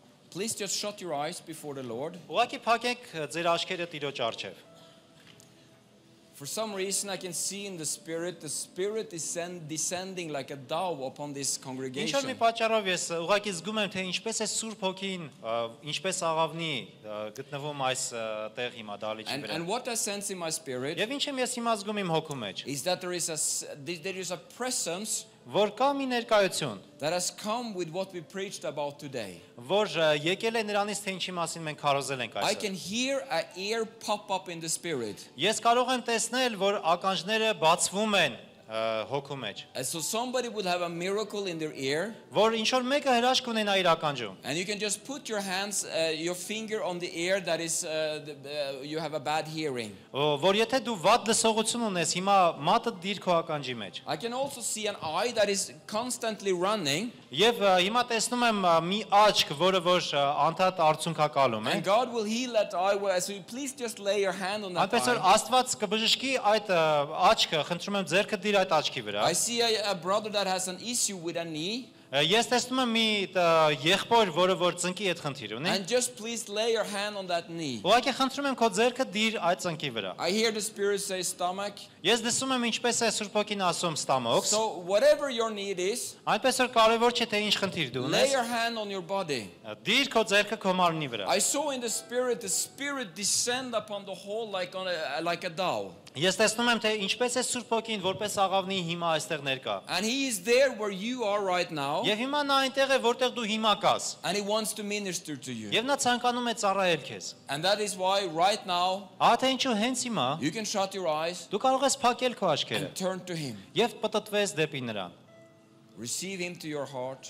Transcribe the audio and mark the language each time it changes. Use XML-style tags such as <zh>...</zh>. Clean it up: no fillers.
<en>Please just shut your eyes before the Lord.</en> <hy>Ուղղակի փակեք ձեր աչքերը Տիրոջ առջև.</hy> <en>For some reason I can see in the spirit is descending like a dove upon this congregation.</en> <hy>Ինչո՞ւ մի պատճառով ես ուղղակի զգում եմ թե ինչպես է Սուրբ Հոգին ինչպես աղավնի գտնվում այս տեղ հիմա դալիճի վրա.</hy> <en>And what I sense in my spirit?</en> <hy>Եվ ինչ եմ ես հիմա զգում իմ հոգու մեջ?</hy> <en>Is that there is a presence?</en> <hy>Որ կա մի ներկայություն.</hy> <en>That has come with what we preached about today.</en> <hy>Որ եկել է նրանից թե ինչի մասին մենք խոսել ենք այսօր.</hy> <en>I can hear a ear pop up in the spirit.</en> <hy>Ես կարող եմ տեսնել, որ ականջները բացվում են հոգու մեջ.</hy> <en>So somebody would have a miracle in their ear.</en> <hy>Որ ինչ-որ մեկը հրաշք ունենա իր ականջում.</hy> <en>And you can just put your hands your finger on the ear that is you have a bad hearing.</en> <hy>Որ եթե դու վատ լսողություն ունես, հիմա մատը դիր քո ականջի մեջ.</hy> <en>I can also see an eye that is constantly running.</en> <hy>Եվ հիմա տեսնում եմ մի աչք, որը որ անդադար արցունքակալում է։</hy> <en>And God will heal that eye well, so please just lay your hand on that eye.</en> <hy>Այսօր Աստված կբժշկի այդ աչքը, խնդրում եմ ձեր քը դիր այդ աչքի վրա։</hy> <en>I see a brother that has an issue with a knee.</en> <hy>Ես տեսնում եմ մի եղբոր, որը որ ծնկի այդ խնդիր ունի։</hy> <en>And just please lay your hand on that knee.</en> <hy>Ուղղակի okay, խնդրում եմ քո ձեռքը դիր այդ ծնկի վրա։</hy> <en>I hear the spirit say stomach.</en> <hy>Ես լսում եմ ինչպես է Սուրբ Հոգին ասում stomach.</hy> <en>So whatever your need is.</en> <hy>Այնպես որ կարևոր չէ թե ինչ խնդիր դու ունես։</hy> <en>Lay your hand on your body.</en> <hy>Դիր քո ձեռքը քո մարմնի վրա։</hy> <en>I saw in the spirit descend upon the whole like a dove.</en> <hy>Ես տեսնում եմ թե ինչպես է Սուրբ Հոգին որպես աղավնի հիմա այստեղ ներկա։</hy> <en>And he is there where you are right now.</en> <hy>Եվ հիմա նա այնտեղ է որտեղ դու հիմա կաս։</hy> <en>And he wants to minister to you.</en> <hy>Եվ նա ցանկանում է ծառայել քեզ։</hy> <en>And that is why right now.</en> <hy>Աթե ինչու հենց հիմա։</hy> <en>You can shut your eyes.</en> <hy>Դու կարող ես փակել քո աչքերը։</hy> <en>And turn to him.</en> <hy>Եվ պատտվես դեպի նրան։</hy> <en>Receive him to your heart.</en>